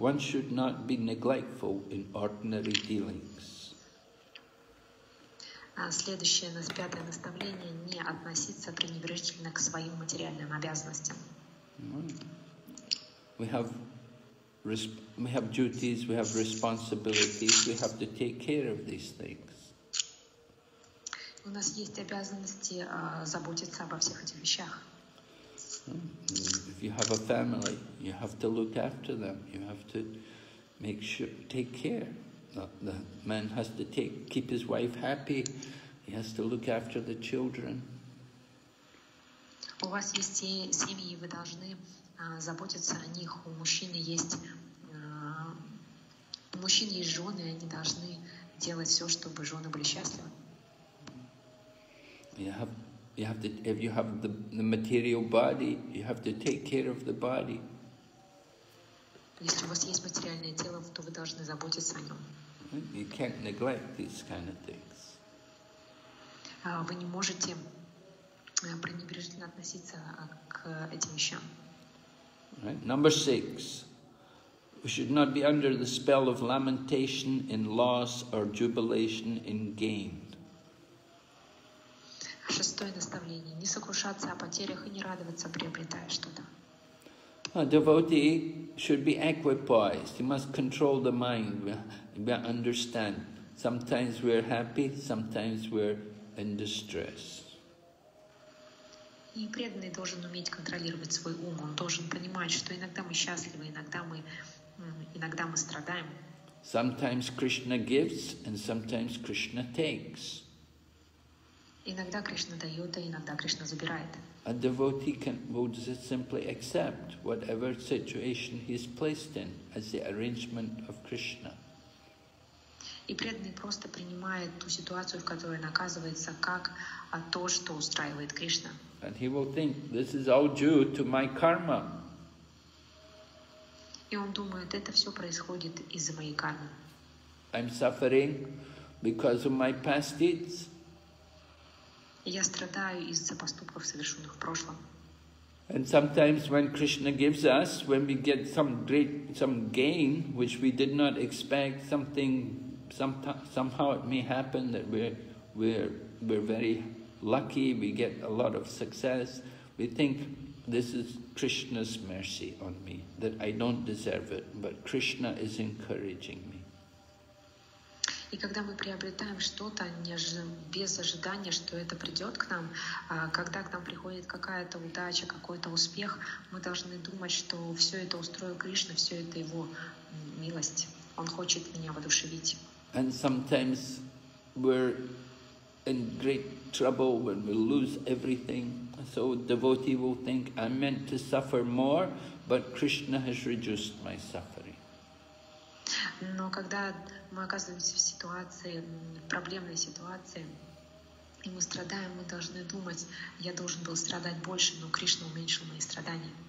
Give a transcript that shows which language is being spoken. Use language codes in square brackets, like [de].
[en] One should not be neglectful in ordinary dealings. [ru] Следующее, пятое наставление, не относиться пренебрежительно к своим материальным обязанностям. [en] We have duties, we have responsibilities, we have to take care of these things. [ru] У нас есть обязанности заботиться обо всех этих вещах. [en] If you have a family, you have to look after them. You have to make sure, take care. The man has to keep his wife happy. He has to look after the children. [ru] У вас есть семьи, и вы должны заботиться о них. У мужчины есть жены, они должны делать все, чтобы жены были счастливы. [en] You have to. If you have the material body, you have to take care of the body. [ru] Если у вас есть материальное тело, то вы должны заботиться о нем. [en] You can't neglect these kind of things. [ru] Вы не можете пренебрежительно относиться к этим вещам. [en] Right. Number six. We should not be under the spell of lamentation in loss or jubilation in gain. [ru] Шестое наставление. Не сокрушаться о потерях и не радоваться, приобретая что-то. [en] A devotee should be equipoised. He must control the mind. We understand. Sometimes we are happy, sometimes we are in distress. [ru] И преданный должен уметь контролировать свой ум. Он должен понимать, что иногда мы счастливы, иногда мы страдаем. [en] Sometimes Krishna gives and sometimes Krishna takes. [ru] Иногда Кришна дает, а иногда Кришна забирает. [en] A devotee will just simply accept whatever situation he is placed in as the arrangement of Krishna. [ru] И преданный просто принимает ту ситуацию, в которой он оказывается, как то, что устраивает Кришна. [en] And he will think, this is all due to my karma. [ru] И он думает, это все происходит из-за моей кармы. [en] I'm suffering because of my past deeds. [ru] Я страдаю из-за поступков, совершенных в прошлом. [en] And sometimes when Krishna gives us, when we get some gain, which we did not expect, somehow it may happen that we're very lucky, we get a lot of success, we think this is Krishna's mercy on me, that I don't deserve it, but Krishna is encouraging me. [ru] И когда мы приобретаем что-то без ожидания, что это придет к нам, когда к нам приходит какая-то удача, какой-то успех, мы должны думать, что все это устроил Кришна, все это его милость. Он хочет меня воодушевить. [en] And sometimes we're in great trouble when we lose everything. So devotee will think, I'm meant to suffer more, but Krishna has reduced my suffering. [ru] Но когда мы оказываемся в ситуации, проблемной ситуации, и мы страдаем, мы должны думать, я должен был страдать больше, но Кришна уменьшил мои страдания.